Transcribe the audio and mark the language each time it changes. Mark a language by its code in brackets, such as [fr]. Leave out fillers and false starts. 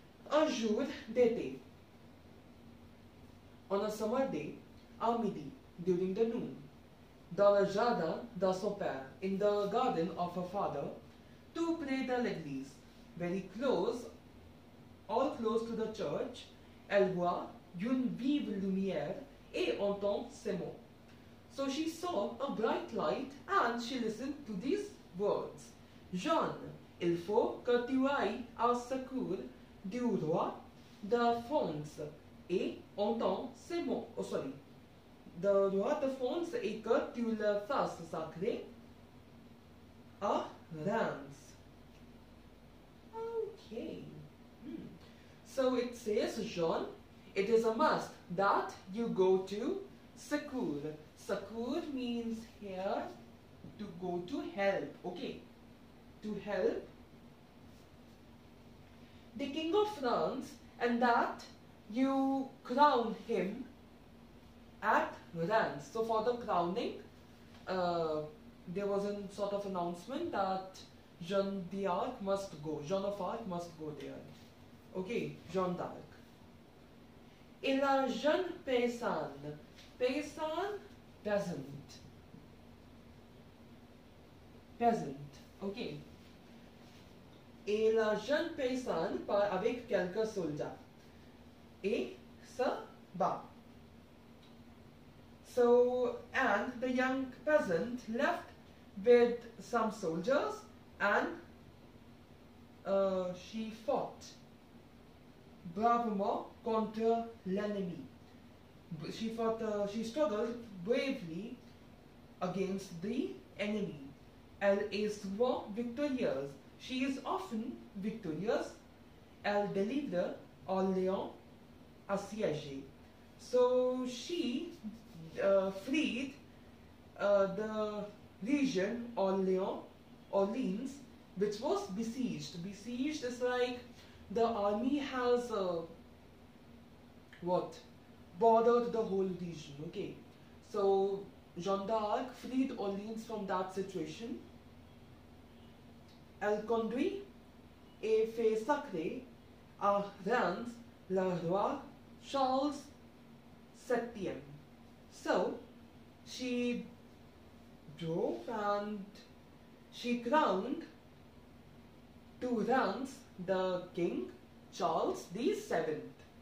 [fr] Un jour d'été, [en] on a summer day, [fr] à midi, [en] during the noon, [fr] dans le jardin de son père, [en] in the garden of her father, to play the l'église, very close, all close to the church, [fr] elle voit une vive lumière et entend ces mots. [en] So she saw a bright light and she listened to these words. [fr] Jeanne, il faut que tu ailles au secours du roi de France et entend ces mots. [en] Oh, sorry. [fr] De roi de France et que tu le fasses sacré à Reims. [en] Okay. So it says, Jean, it is a must that you go to Cours. Cours means here to go to help. Okay. To help the King of France and that you crown him at Reims. So for the crowning, there was a sort of announcement that Jeanne d'Arc must go. Jeanne of Arc must go there. Okay, Jeanne d'Arc. [fr] Et la jeune paysanne. Paysanne, peasant. [en] Peasant, okay. [fr] Et la jeune paysanne part avec quelques soldats. Et se bat. [en] So, and the young peasant left with some soldiers and she fought. [fr] Bravement contre l'ennemi. [en] She fought, she struggled bravely against the enemy. [fr] Elle est souvent victorieuse. [en] She is often victorious. [fr] Elle délivre Orléans assiégé. [en] So she freed the region Orléans which was besieged. Besieged is like the army has what? Bordered the whole region, okay? So Jeanne d'Arc freed Orleans from that situation. [fr] Elle conduit et fait sacré à Reims le roi Charles VII. [en] So she drove and she crowned to Reims the king Charles the VII.